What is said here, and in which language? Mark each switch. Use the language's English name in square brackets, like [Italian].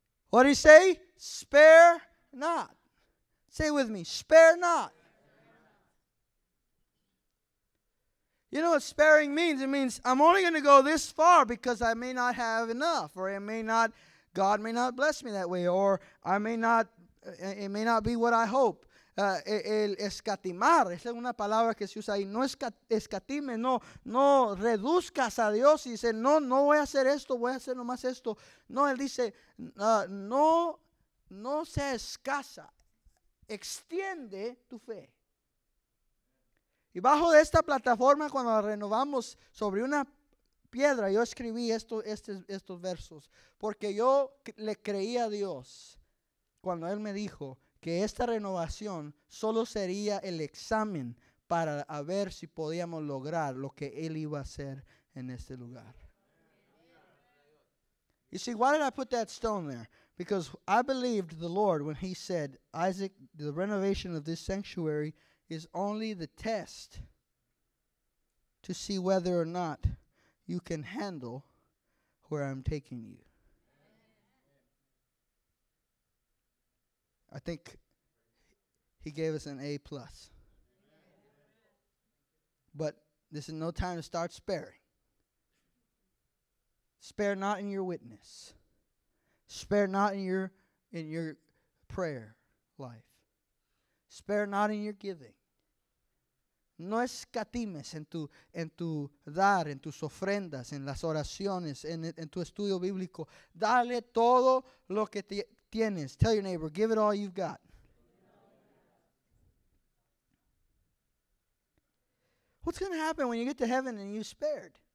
[English] What did he say? Spare not. Say it with me. Spare not. You know what sparing means? It means I'm only going to go this far because I may not have enough. Or it may not, God may not bless me that way. Or I may not, it may not be what I hope. [Spanish] El escatimar, esa es una palabra que se usa ahí, no escatime, no reduzcas a Dios, y dice, no voy a hacer esto, voy a hacer nomás esto. No, él dice, no sea escasa, extiende tu fe. Y bajo de esta plataforma, cuando la renovamos sobre una piedra, yo escribí estos versos, porque yo le creí a Dios cuando él me dijo que esta renovación solo sería el examen para a ver si podíamos lograr lo que él iba a hacer en este lugar. [English] You see, why did I put that stone there? Because I believed the Lord when he said, Isaac, the renovation of this sanctuary is only the test to see whether or not you can handle where I'm taking you. I think he gave us an A+. But this is no time to start sparing. Spare not in your witness. Spare not in your prayer life. Spare not in your giving. [Spanish] No escatimes en tu dar, en tus ofrendas, en las oraciones, en tu estudio bíblico. Dale todo lo que tienes. [English] Tell your neighbor, give it all you've got. What's going to happen when you get to heaven and you spared?